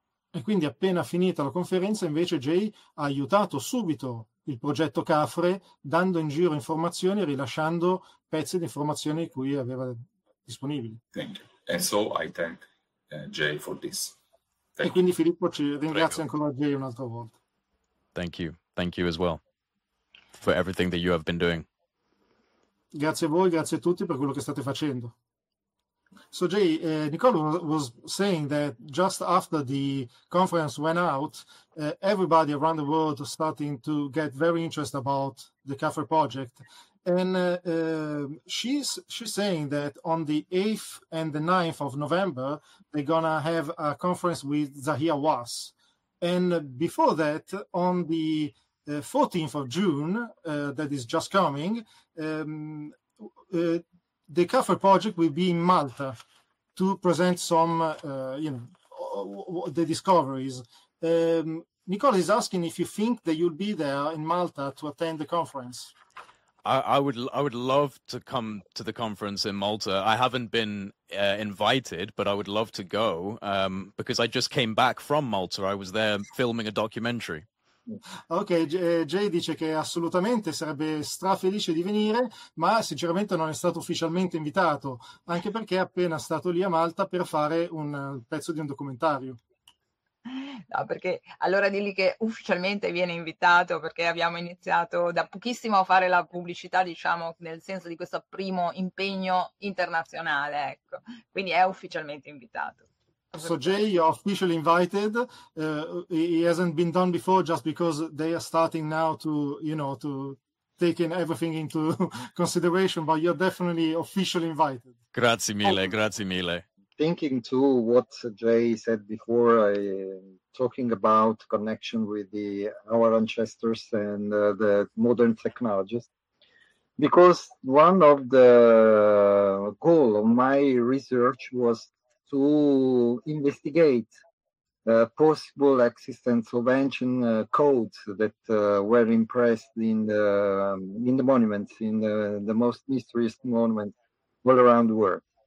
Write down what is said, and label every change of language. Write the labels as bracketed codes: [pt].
[it] E quindi appena finita la conferenza, invece, Jay ha aiutato subito il progetto CAFRE, dando in giro informazioni e rilasciando pezzi di informazioni cui aveva disponibili. [en] Thank you. And so I thank Jay for this. [it] E quindi Filippo ci ringrazia ancora Jay un'altra volta. [en] Thank you. Thank you as well for everything that you have been doing. [it] Grazie a voi, grazie a tutti per quello che state facendo. [en] So Jay, Nicole was saying that just after the conference went out, everybody around the world was starting to get very interested about the CAFR project. And she's saying that on the 8th and the 9th of November, they're going to have a conference with Zahia Was. And before that, on the 14th of June, that is just coming, the CAFR project will be in Malta to present some, the discoveries. Nicole is asking if you think that you'll be there in Malta to attend the conference. I would love to come to the conference in Malta. I haven't been invited, but I would love to go because I just came back from Malta. I was there filming a documentary. [it] Ok, Jay dice che assolutamente sarebbe strafelice di venire, ma sinceramente non è stato ufficialmente invitato, anche perché è appena stato lì a Malta per fare un pezzo di un documentario. No, perché allora dirgli che ufficialmente viene invitato, perché abbiamo iniziato da pochissimo a fare la pubblicità, diciamo, nel senso di questo primo impegno internazionale, ecco. Quindi è ufficialmente invitato. [en] So Jay, you're officially invited. It hasn't been done before just because they are starting now to, you know, to take in everything into consideration, but you're definitely officially invited. [it] Grazie mille, oh. Grazie mille. [en] Thinking to what Jay said before, talking about connection with our ancestors and the modern technologies, because one of the goal of my research was to investigate the possible existence of ancient codes that were impressed in the monuments, in the most mysterious monuments all around the world.